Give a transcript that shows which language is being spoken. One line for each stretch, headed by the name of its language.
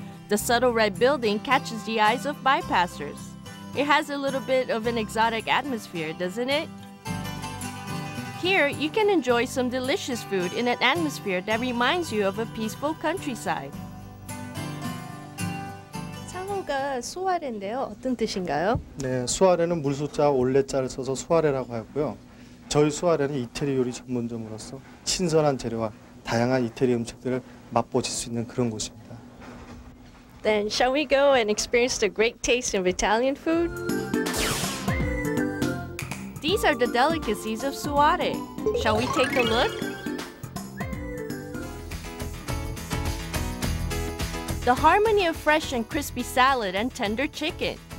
English: The subtle red building catches the eyes of bypassers. It has a little bit of an exotic atmosphere, doesn't it? Here, you can enjoy some delicious food in an atmosphere that reminds you of a peaceful countryside.
Korean: 상호가 수와래인데요. 어떤 뜻인가요? 네, 수와래는 물수자 올레자를 써서 수와래라고 하고요. 저희 수와래는 이태리 요리 전문점으로서 신선한 재료와 다양한 이태리 음식들을 맛보실 수 있는 그런 곳입니다.
English: Then shall we go and experience the great taste of Italian food? These are the delicacies of Suare. Shall we take a look? The harmony of fresh and crispy salad and tender chicken.